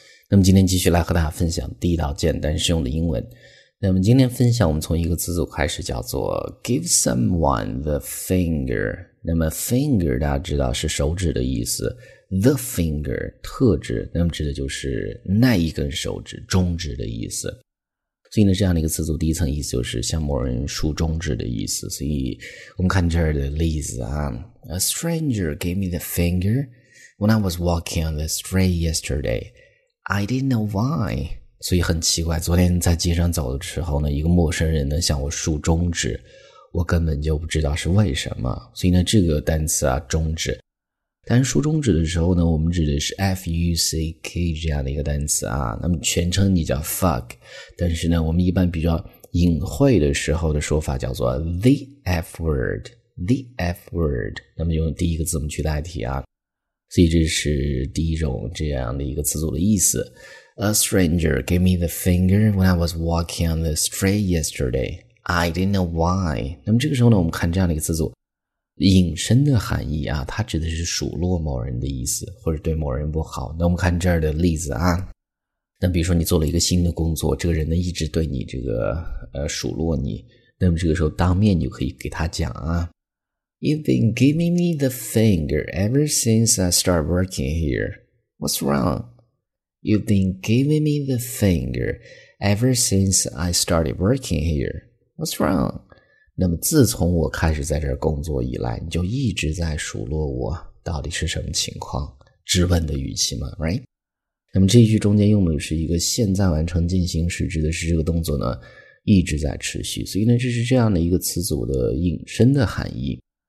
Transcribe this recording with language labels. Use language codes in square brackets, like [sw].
[zh] 那么今天继续来和大家分享地道简单实用的英文。那么今天分享，我们从一个词组开始，叫做 [en] give someone the finger。 [zh] 那么 finger 大家知道是手指的意思 ，the finger 特指，那么指的就是那一根手指、中指的意思。所以呢，这样的一个词组，第一层意思就是向某人竖中指的意思。所以我们看这儿的例子啊 ， [en] A stranger gave me the finger。 When I was walking on the street yesterday, I didn't know why. [zh] 所以很奇怪，昨天在街上走的时候呢，一个陌生人呢向我竖中指，我根本就不知道是为什么。所以呢，这个单词啊，中指，但是竖中指的时候呢，我们指的是 fuck 这样的一个单词啊。那么全称你叫 fuck， 但是呢，我们一般比较隐晦的时候的说法叫做 [en] the f word， the f word。 [zh] 那么用第一个字母去代替啊。所以这是第一种这样的一个词组的意思。 [en] A stranger gave me the finger when I was walking on the street yesterday. I didn't know why. [zh] 那么这个时候呢，我们看这样的一个词组，隐身的含义啊，它指的是数落某人的意思，或者对某人不好。那我们看这儿的例子啊，那比如说你做了一个新的工作，这个人呢一直对你这个数落你，那么这个时候当面你就可以给他讲啊。 [en] You've been giving me the finger ever since I started working here. What's wrong? You've been giving me the finger ever since I started working here. What's wrong? [zh] 那么自从我开始在这儿工作以来，你就一直在数落我，到底是什么情况？质问的语气嘛 ， [en] right? [zh] 那么这一句中间用的是一个现在完成进行时，指的是这个动作呢一直在持续。所以呢，这是这样的一个词组的引申的含义。